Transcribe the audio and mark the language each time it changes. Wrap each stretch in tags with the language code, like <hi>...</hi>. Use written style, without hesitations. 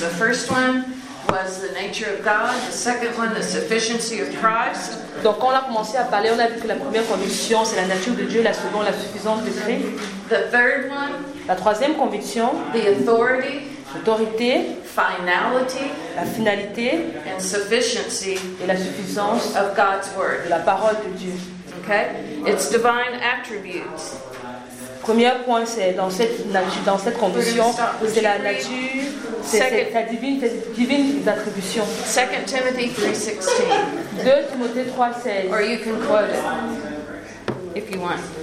<en>The first one was the nature of God. The second one, the sufficiency of Christ.</en> <fr>Donc quand on a commencé à parler, on a vu que la première conviction, c'est la nature de Dieu. La seconde, la suffisance de Christ.</fr> <en>The third one.</en> <fr>La troisième conviction.</fr> <en>The authority.</en> <fr>L'autorité.</fr> <en>Finality.</en> <fr>La finalité.</fr> <en>And sufficiency.</en> <fr>Et la suffisance.</fr> <en>Of God's word.</en> <fr>De la parole de Dieu.</fr> <en>Okay. It's divine attributes.</en> <fr>Premier point, c'est dans cette nature, dans cette condition, c'est la nature, c'est la divine attribution. 2 Timothée 3:16. 2 Timothée 3:16.</fr> <en>Or you can quote it if you want.</en>